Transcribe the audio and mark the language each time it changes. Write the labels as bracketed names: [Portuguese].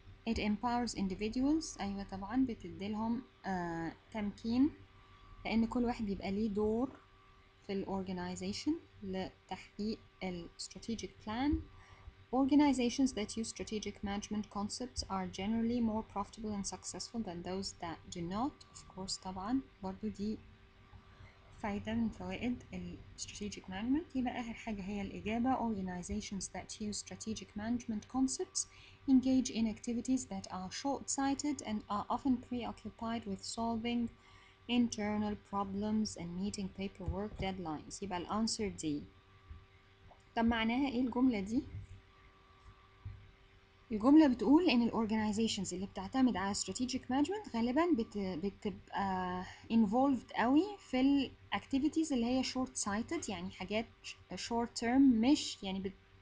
[English] it empowers individuals، [Arabic] أيوة طبعا بتديلهم تمكين لأن كل واحد بيبقى ليه دور في الorganization لتحقيق الstrategic plan. [English] Organizations that use strategic management concepts are generally more profitable and successful than those that do not. Of course, [Arabic] طبعاً برضو دي فايدة من فوائد strategic management. يبقى آخر حاجة هي الإجابة. [English] Organizations that use strategic management concepts engage in activities that are short-sighted and are often preoccupied with solving internal problems and meeting paperwork deadlines. [Arabic] يبقى الانسر دي. طب معناها إيه الجملة دي؟ الجملة بتقول إن الـ organizations اللي بتعتمد على strategic management غالباً بتبقى involved قوي في الـ activities اللي هي short-sighted، يعني حاجات short-term، مش يعني